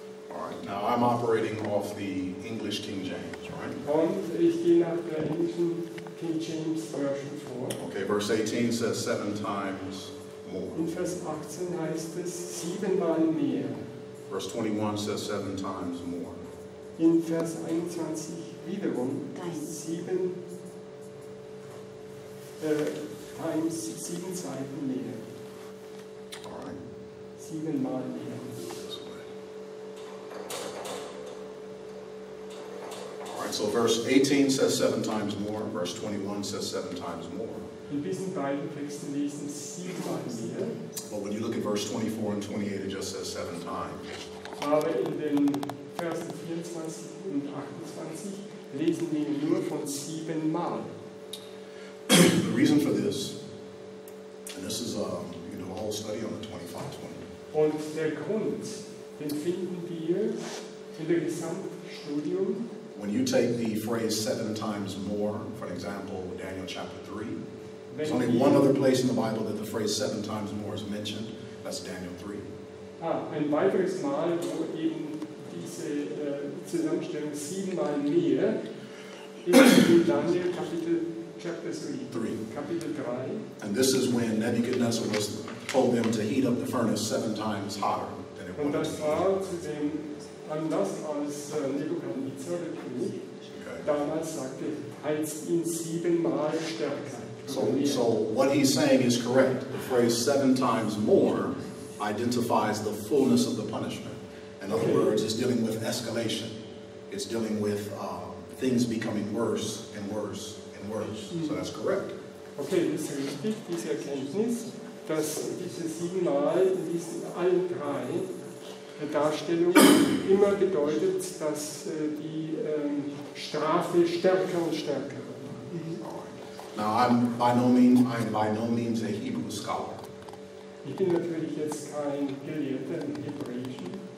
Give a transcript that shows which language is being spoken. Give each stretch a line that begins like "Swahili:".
English: All right, now I'm operating off the English King James, right?
German: Und ich gehe nach der englischen King James Version vor.
English: Okay, verse 18 says seven times more.
German: In Vers 18 heißt es siebenmal mehr.
English: Verse 21 says seven times more.
German: In Vers 21 wiederum sieben times sieben Zeiten mehr.
English: All right.
German: Siebenmal mehr.
English: All right. So verse 18 says seven times more. Verse 21 says seven times more.
German: In diesen beiden Texten lesen siebenmal mehr.
English: But when you look at verse 24 and 28, it just says seven times.
German: Aber in den Versen 24 und 28 lesen wir nur von siebenmal.
English: The reason for this, and this is you know, a whole study on the 25-20.
German: Und der Grund, den finden wir in der Gesamtstudium.
English: When you take the phrase seven times more, for example, Daniel chapter 3, there's only one other place in the Bible that the phrase seven times more is mentioned. That's Daniel 3.
German: Ein weiteres Mal, wo eben diese Zusammenstellung siebenmal mehr ist in Daniel Kapitel chapter 3. Kapitel 3.
English: And this is when Nebuchadnezzar was told them to heat up the furnace seven times hotter than it was.
German: Und das war zu dem Anlass, als Nebuchadnezzar der König damals sagte, heiz ihn siebenmal stärker.
English: So what he's saying is correct. The phrase seven times more identifies the fullness of the punishment. In other words, it's dealing with escalation. It's dealing with things becoming worse and worse and worse. So that's correct. Okay, this is
German: richtig, diese Erkenntnis, dass diese siebenmal in diesen allen drei Darstellungen immer bedeutet, dass die Strafe stärker und stärker wird.
English: Now I'm by no means a Hebrew scholar.
German: Ich bin natürlich jetzt kein Gelehrter in Hebräischen.